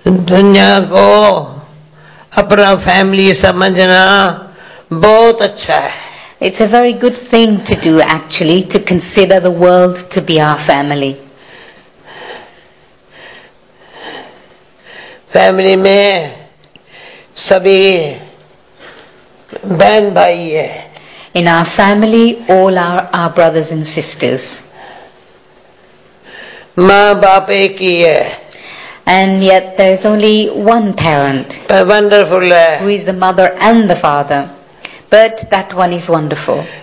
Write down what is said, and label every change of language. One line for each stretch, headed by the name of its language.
Hindi: Dunya ko अपना family समझना बहुत अच्छा है.
English: It's a very good thing to do, actually, to consider the world to be our family.
Hindi: Family में सभी बहन भाई है.
English: In our family, all are our brothers and sisters.
Hindi: माँ बाप एक ही है.
English: And yet there's only one parent. Wonderful. Who is the mother and the father. But that one is wonderful.